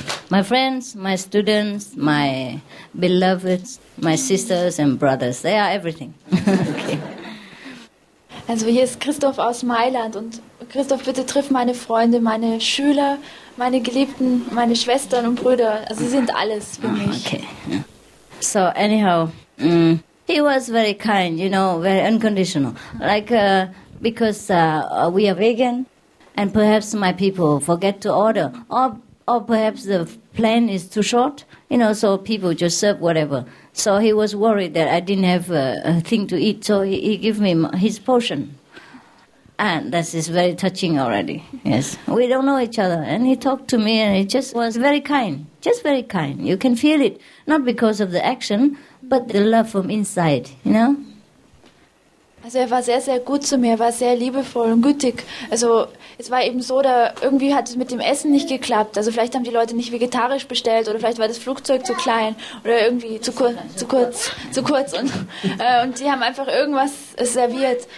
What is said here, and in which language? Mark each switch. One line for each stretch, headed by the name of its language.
English: My friends, my students, my beloveds, my sisters and brothers. They are everything. Okay.
German: Also hier ist Christoph aus Mailand und Christoph, bitte triff meine Freunde, meine Schüler, meine Geliebten, meine Schwestern und Brüder. Also sie sind alles für mich.
English: Okay. So anyhow, he was very kind, you know, very unconditional. Like because we are vegan, and perhaps my people forget to order, or perhaps the plane is too short, you know, so people just serve whatever. So he was worried that I didn't have a thing to eat, so he gave me his portion. And this is very touching already, yes. We don't know each other. And he talked to me and he just was very kind just very kind. You can feel it, not because of the action, but the love from inside, you know?
German: Also er war sehr, sehr gut zu mir, war sehr liebevoll und gütig. Also es war eben so, da irgendwie hat es mit dem Essen nicht geklappt. Also vielleicht haben die Leute nicht vegetarisch bestellt oder vielleicht war das Flugzeug zu klein oder irgendwie zu kurz. Und sie haben einfach irgendwas serviert.